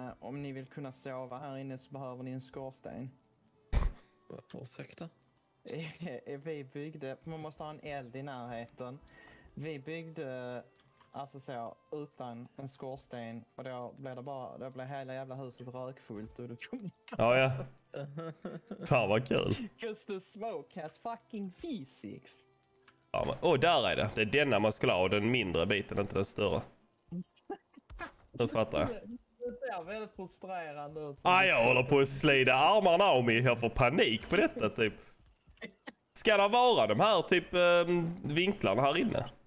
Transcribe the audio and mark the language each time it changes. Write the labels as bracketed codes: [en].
[sv] om ni vill kunna sova här inne så behöver ni en skorsten. Ursäkta? Vi byggde... Man måste ha en eld i närheten. Vi byggde... Alltså så, utan en skorsten och då blev det bara, då blev hela jävla huset rökfullt och du kom. Ja. Fan vad kul. [en] Cause the smoke has fucking physics. [sv] Ja, men, oh, där är det. Det är denna man skulle ha, den mindre biten, inte den större. Nu fattar jag. Det ser väldigt frustrerande ut. Jag håller på att slida armarna om mig. Jag får panik på detta typ. Ska det vara de här typ vinklarna här inne?